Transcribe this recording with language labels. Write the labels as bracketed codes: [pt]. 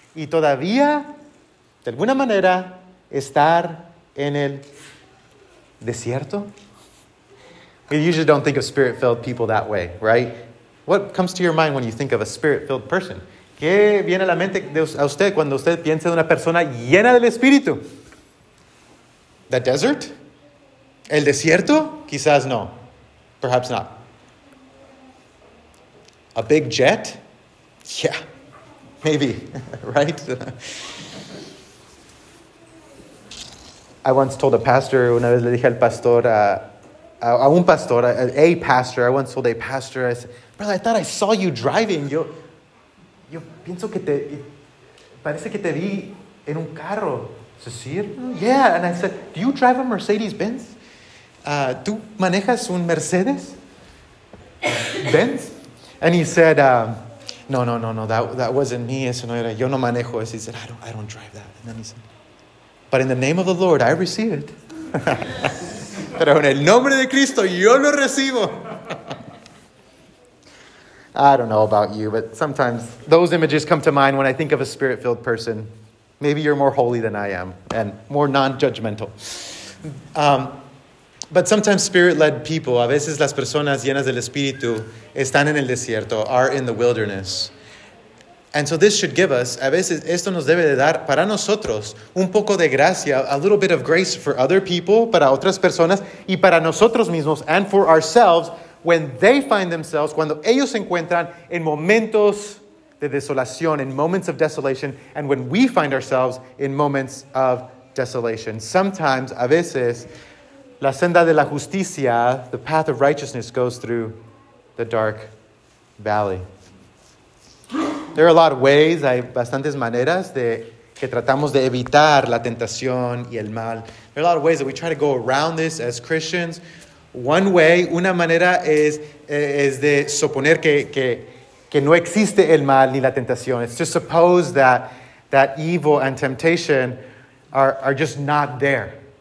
[es] Y todavía, de alguna manera, estar en el desierto. [en] We usually don't think of spirit-filled people that way, right? What comes to your mind when you think of a spirit-filled person? [es] ¿Qué viene a la mente de usted cuando usted piensa en una persona llena del Espíritu? [en] The desert? [es] El desierto? Quizás no. [en] Perhaps not. A big jet? Yeah. Maybe. Right? I once told a pastor, [es] una vez le dije al pastor, [en] I said, brother, I thought I saw you driving. [es] Yo pienso que te, parece que te vi en un carro. [en] Yeah, and I said, do you drive a Mercedes-Benz? [es] ¿Tú manejas un Mercedes-Benz? [en] And he said, no, that wasn't me, [es] eso no era, yo no manejo eso. [en] He said, I don't drive that. And then he said, but in the name of the Lord, I receive it. [es] Pero en el nombre de Cristo, yo lo recibo. [en] I don't know about you, but sometimes those images come to mind when I think of a spirit-filled person. Maybe you're more holy than I am and more non-judgmental. But sometimes spirit-led people, [es] a veces las personas llenas del Espíritu están en el desierto, [en] are in the wilderness. And so this should give us, [es] a veces esto nos debe de dar para nosotros un poco de gracia, [en] a little bit of grace for other people, [es] para otras personas y para nosotros mismos [en] and for ourselves when they find themselves, [es] cuando ellos se encuentran en momentos de desolación, [en] in moments of desolation, and when we find ourselves in moments of desolation. Sometimes, [es] a veces, la senda de la justicia, [en] the path of righteousness, goes through the dark valley. There are a lot of ways, [es] hay bastantes maneras de que tratamos de evitar la tentación y el mal. [en] There are a lot of ways that we try to go around this as Christians. One way, [es] una manera es de suponer que no existe el mal ni la tentación. [en] It's to suppose that evil and temptation are just not there.